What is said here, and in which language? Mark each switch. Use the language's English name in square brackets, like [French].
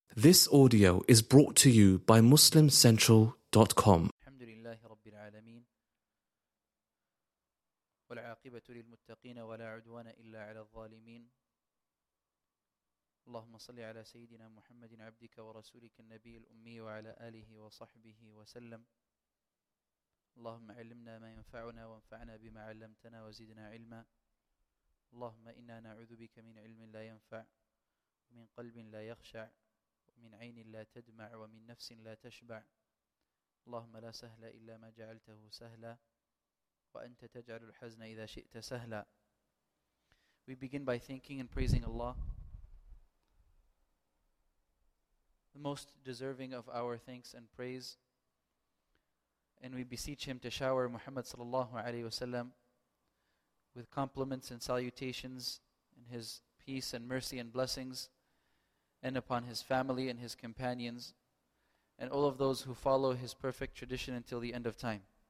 [English] This audio is brought to you by MuslimCentral.com. [Arabic] الحمد لله رب العالمين والعاقبة للمتقين ولا عدوان إلا على الظالمين. اللهم صل على سيدنا محمد عبدك ورسولك النبي الأمي وعلى آله وصحبه وسلم. اللهم علمنا ما ينفعنا وانفعنا بما علمتنا وزدنا علما. اللهم إنا نعوذ بك من علم لا ينفع ومن قلب لا يخشع ومن عين لا تدمع ومن نفس لا تشبع. اللهم لا سهل إلا ما جعلته سهلا وأنت تجعل الحزن إذا شئت سهلا. [English] We begin by thanking and praising Allah, the most deserving of our thanks and praise, and we beseech Him to shower Muhammad sallallahu alayhi wasallam with compliments and salutations and His peace and mercy and blessings, and upon his family and his companions, and all of those who follow his perfect tradition until the end of time.